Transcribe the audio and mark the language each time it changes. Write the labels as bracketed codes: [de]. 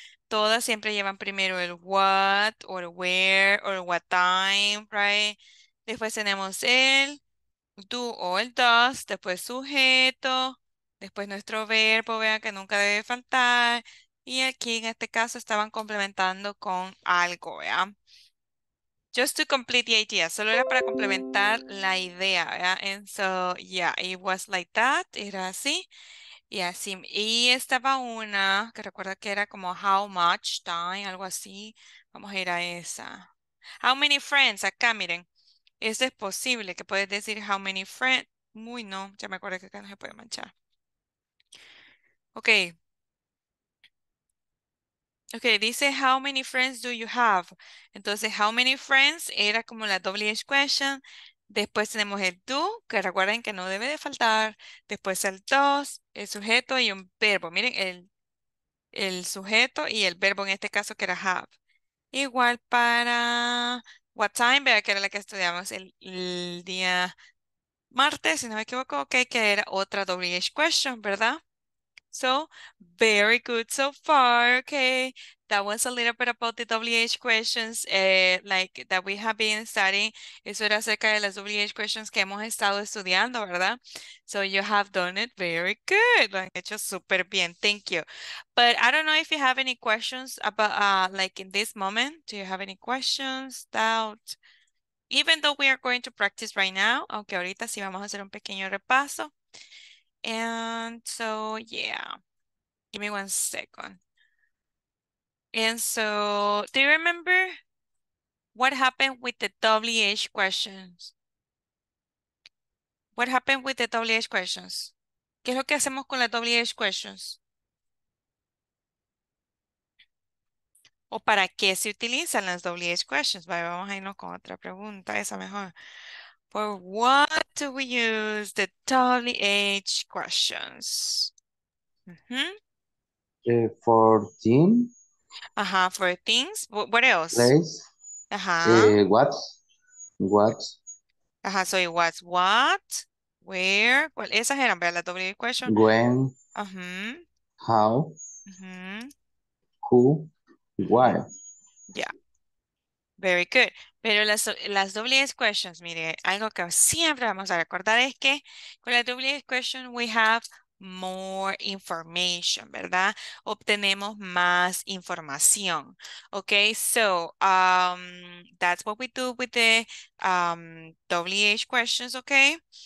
[es] Todas siempre llevan primero el [en] what, or where, or what time, right? [es] Después tenemos el do o el does, después sujeto, después nuestro verbo, vean que nunca debe faltar. Y aquí en este caso estaban complementando con algo, ¿vea? [en] Just to complete the idea, [es] solo era para complementar la idea, ¿vea? [en] And so, yeah, it was like that, [es] era así. Yeah, sí. Y estaba una que recuerda que era como [en] how much time, [es] algo así. Vamos a ir a esa. [en] How many friends? [es] Acá, miren. Eso es posible, que puedes decir [en] how many friends. [es] Uy, no, ya me acuerdo que acá no se puede manchar. [en] Okay. Okay, [es] dice [en] how many friends do you have? [es] Entonces, [en] how many friends [es] era como la WH question. Después tenemos el do, que recuerden que no debe de faltar. Después el does, el sujeto y un verbo. Miren, el sujeto y el verbo en este caso que era have. Igual para what time, vea que era la que estudiamos el día martes, si no me equivoco. Ok, que era otra WH question, ¿verdad? [en] So, very good so far. Okay, that was a little bit about the WH questions like that we have been studying. [es] Eso era acerca de las WH questions que hemos estado estudiando, ¿verdad? [en] So, you have done it very good. [es] Lo han hecho súper bien. [en] Thank you. But I don't know if you have any questions about, like in this moment, do you have any questions, doubt? Even though we are going to practice right now, [es] aunque ahorita sí vamos a hacer un pequeño repaso. [en] And so, yeah, give me 1 second. And so, do you remember what happened with the WH questions? What happened with the WH questions? [es] ¿Qué es lo que hacemos con las WH questions? ¿O para qué se utilizan las WH questions? Vale, vamos a irnos con otra pregunta, esa mejor. [en] ¿For what do we use the WH questions? For team. Ajá, for things. What else? Place. Ajá. What? What? Ajá, so it was what? Where? Well, [es] esas eran, ¿verdad? La [en] WH question. When. Ajá. How. Ajá. Who. Why. Yeah. Very good. [es] Pero las WH questions, mire, algo que siempre vamos a recordar es que con la WH question [en] we have more information, [es] ¿verdad? Obtenemos más información. [en] Okay, so that's what we do with the WH questions, okay?